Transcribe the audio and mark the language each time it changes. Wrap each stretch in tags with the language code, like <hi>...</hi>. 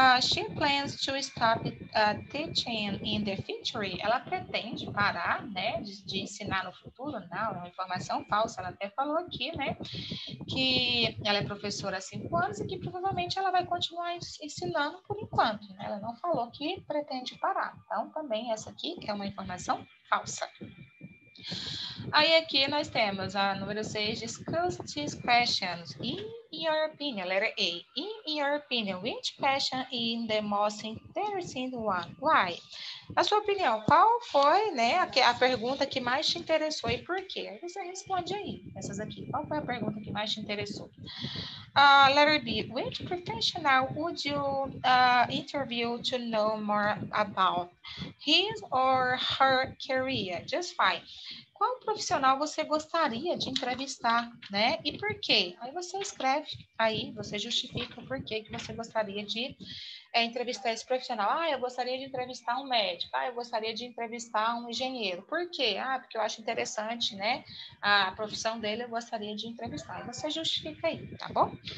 <en>She plans to stop teaching in the future.</en> <pt>Ela pretende parar, né, de ensinar no futuro? Não, é uma informação falsa. Ela até falou aqui, né, que ela é professora há 5 anos e que provavelmente ela vai continuar ensinando por enquanto, né? Ela não falou que pretende parar. Então, também essa aqui é uma informação falsa. Aí aqui nós temos a número 6,</pt> <en>discuss these questions. In your opinion, letter A. In your opinion, which question is the most interesting one? Why?</en> <pt>Na sua opinião, qual foi, né, a pergunta que mais te interessou e por quê? Você responde aí, essas aqui. Qual foi a pergunta que mais te interessou?</pt> <en>Letter B. Which professional would you interview to know more about his or her career? Just fine.</en> <pt>Qual profissional você gostaria de entrevistar, né? E por quê? Aí você escreve aí, você justifica o porquê que você gostaria de é entrevistar esse profissional. Ah, eu gostaria de entrevistar um médico. Ah, eu gostaria de entrevistar um engenheiro. Por quê? Ah, porque eu acho interessante, né? A profissão dele, eu gostaria de entrevistar. Você justifica aí, tá bom?</pt>